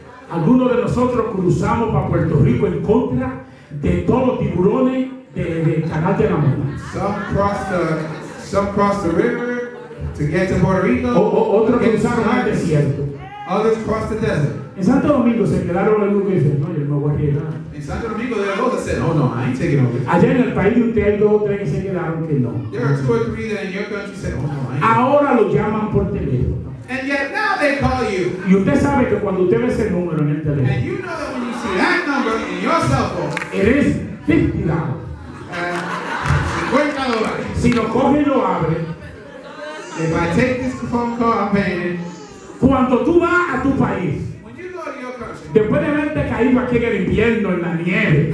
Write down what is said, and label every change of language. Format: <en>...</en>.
<es>Algunos de nosotros cruzamos para Puerto Rico en contra de todos los tiburones del canal de la Mancha.</es> <en>Some crossed the river. To get to Puerto Rico,</en> <es>otros cruzaron el desierto.</es> <en>Others crossed the desert.</en> <es>En Santo Domingo se quedaron algunos que dicen, no, yo no voy a quedar.</es> <en>En Santo Domingo, there are those that said, oh no, I ain't taking over.</en> <es>Allá en el país de usted hay dos o tres que se quedaron que no.</es> <en>There are two or three that in your country said, oh no, I ain't.</en> <es>Ahora lo llaman por teléfono.</es> <en>And yet now they call you.</en> <es>Y usted sabe que cuando usted ve ese número en el teléfono,</es> <en>and you know that when you see that number in your cell phone, it is $50. $50.</en> <es>Si lo coge y lo abre.</es> <en>If I take this phone call, I'm paying it.</en> <es>Cuando tú vas a tu país,</es> <en>when you go to your country,</en> <es>después de haberte caído aquí en el invierno, en la nieve,</es>